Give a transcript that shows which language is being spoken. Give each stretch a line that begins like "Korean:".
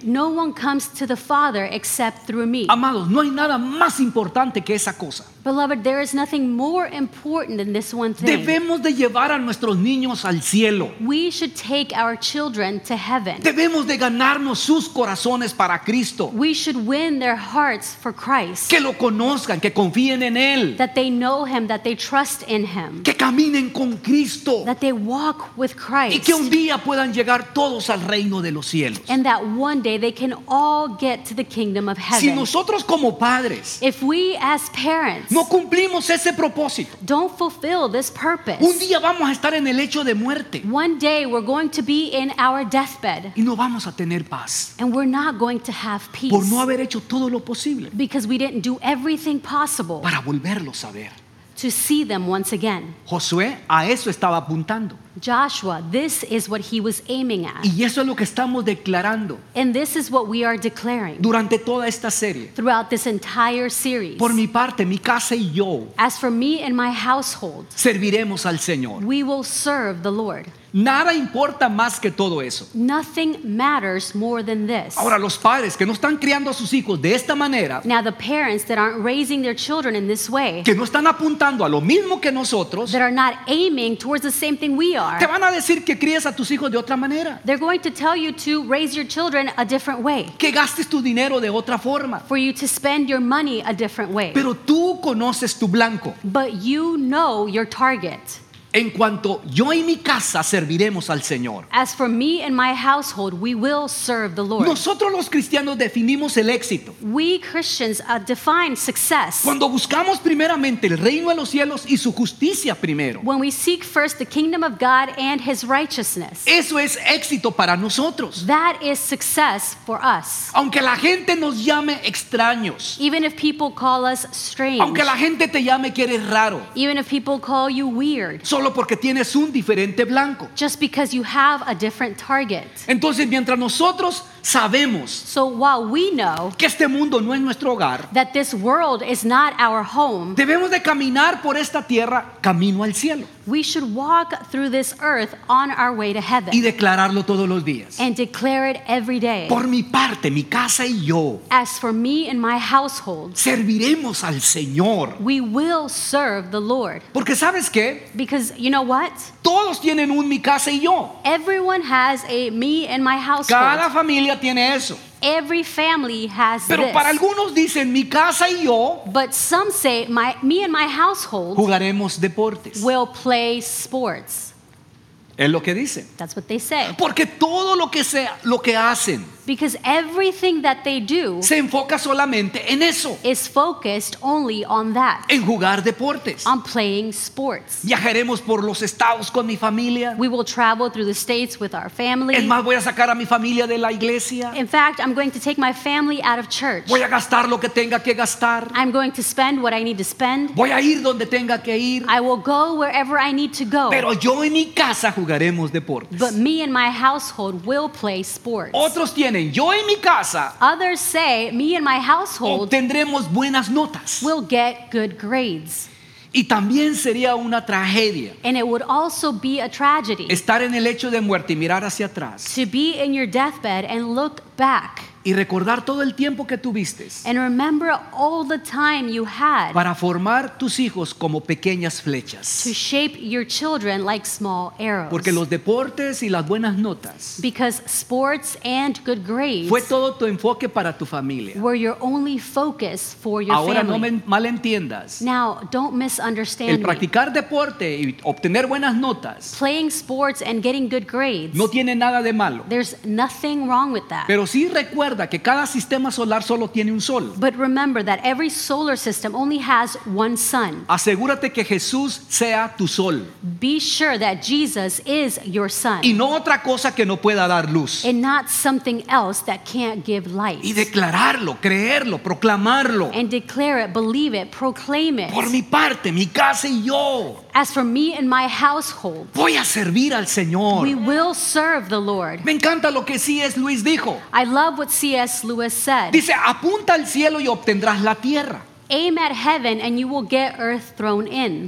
English: No one comes to the Father except through me.
Spanish: Amados, no hay nada más importante que esa cosa.
English: Beloved, there is nothing more important than this one thing.
Spanish: Debemos de llevar a nuestros niños al cielo.
English: We should take our children to heaven.
Spanish: Debemos de ganarnos sus corazones para Cristo.
English: We should win their hearts for Christ.
Spanish: Que lo conozcan, que confíen en Él.
English: That they know Him, that they trust in Him.
Spanish: Que caminen con Cristo.
English: That they walk with Christ.
Spanish: Y que un día puedan llegar todos al reino de los cielos.
English: And that one day they can all get to the kingdom of heaven.
Spanish: Si nosotros como padres,
English: if we as parents,
Spanish: no cumplimos ese propósito,
English: don't fulfill this purpose,
Spanish: un día vamos a estar en el lecho de muerte,
English: one day we're going to be in our deathbed,
Spanish: y no vamos a tener paz,
English: and we're not going to have peace,
Spanish: por no haber hecho todo lo posible,
English: because we didn't do everything possible,
Spanish: para volverlos a ver,
English: to see them once again.
Spanish: Josué a eso estaba apuntando.
English: Joshua, this is what he was aiming at.
Spanish: Y eso es lo que estamos declarando.
English: And this is what we are declaring.
Spanish: Durante toda esta serie.
English: Throughout this entire series.
Spanish: Por mi parte, mi casa y yo.
English: As for me and my household.
Spanish: Serviremos al Señor.
English: We will serve the Lord.
Spanish: Nada importa más que todo eso.
English: Nothing matters more than this.
Spanish: Ahora los padres que no están criando a sus hijos de esta manera.
English: Now the parents that aren't raising their children in this way.
Spanish: Que no están apuntando a lo mismo que nosotros.
English: That are not aiming towards the same thing we are.
Spanish: Te van a decir que críes a tus hijos de otra manera.
English: They're going to tell you to raise your children a different way.
Spanish: Que gastes tu dinero de otra forma.
English: For you to spend your money a different way.
Spanish: Pero tú conoces tu blanco.
English: But you know your target.
Spanish: En cuanto yo y mi casa serviremos al Señor.
English: As for me and my household, we will serve the Lord.
Spanish: Nosotros los cristianos definimos el éxito.
English: We Christians define success.
Spanish: Cuando buscamos primeramente el reino de los cielos y su justicia primero.
English: When we seek first the kingdom of God and his righteousness.
Spanish: Eso es éxito para nosotros.
English: That is success for us.
Spanish: Aunque la gente nos llame extraños.
English: Even if people call us strange.
Spanish: Aunque la gente te llame que eres raro.
English: Even if people call you weird.
Spanish: Solo porque tienes un diferente blanco.
English: Just because you have a different target.
Spanish: Entonces, mientras nosotros sabemos,
English: so while we know,
Spanish: que este mundo no es nuestro hogar,
English: that this world is not our home,
Spanish: debemos de caminar por esta tierra camino al cielo.
English: We should walk through this earth on our way to heaven.
Spanish: Y declararlo todos los días.
English: And declare it every day.
Spanish: Por mi parte, mi casa y yo.
English: As for me and my household.
Spanish: Serviremos al Señor.
English: We will serve the Lord.
Spanish: Porque ¿sabes qué?
English: Because you know what?
Spanish: Todos tienen un mi casa y yo.
English: Everyone has a me and my household.
Spanish: Cada familia tiene eso.
English: Every family has
Spanish: pero
English: this.
Spanish: Para algunos dicen mi casa y yo.
English: But some say me and my household.
Spanish: Jugaremos deportes.
English: Will play sports.
Spanish: Es lo que dicen.
English: That's what they say.
Spanish: Porque todo lo que hacen.
English: Because everything that they do.
Spanish: Se enfoca solamente en eso.
English: Is focused only on that.
Spanish: En jugar deportes.
English: On playing sports.
Spanish: Viajaremos por los estados con mi familia.
English: We will travel through the states with our family.
Spanish: Es más, voy a sacar a mi familia de la iglesia.
English: In fact, I'm going to take my family out of church.
Spanish: Voy a gastar lo que tenga que gastar.
English: I'm going to spend what I need to spend.
Spanish: Voy a ir donde tenga que ir.
English: I will go wherever I need to go.
Spanish: Pero yo en mi casa jugaremos deportes.
English: But me and my household will play sports.
Spanish: Otros tienen. Yo en mi casa.
English: Others say, me and my household.
Spanish: Obtendremos buenas notas.
English: We'll get good grades.
Spanish: Y también sería una tragedia.
English: And it would also be a tragedy.
Spanish: Estar en el lecho de muerte y mirar hacia atrás.
English: To be in your deathbed and look back.
Spanish: y recordar todo el tiempo que tuviste.
English: And remember all the time you had.
Spanish: Para formar tus hijos como pequeñas flechas.
English: To shape your children like small arrows.
Spanish: Porque los deportes y las buenas notas.
English: Because sports and good grades.
Spanish: Fue todo tu enfoque para tu familia.
English: Were your only focus for your
Spanish: Ahora
English: family.
Spanish: Ahora no me malentiendas.
English: Now don't misunderstand
Spanish: me. El practicar deporte y obtener buenas notas.
English: Playing sports and getting good grades.
Spanish: No tiene nada de malo.
English: There's nothing wrong with that.
Spanish: Pero sí recuerda que cada sistema solar solo tiene un sol.
English: But remember that every solar system only has one sun.
Spanish: Asegúrate que Jesús sea tu sol.
English: Be sure that Jesus is your sun.
Spanish: Y no otra cosa que no pueda dar luz.
English: And not something else that can't give light.
Spanish: Y declararlo, creerlo, proclamarlo.
English: And declare it, believe it, proclaim it.
Spanish: Por mi parte, mi casa y yo.
English: As for me and my household,
Spanish: voy a servir al Señor.
English: We will serve the Lord.
Spanish: Me encanta lo que C.S. Lewis dijo.
English: I love what C.S. Lewis said.
Spanish: Dice, apunta al cielo y obtendrás la tierra.
English: Aim at heaven and you will get earth thrown in.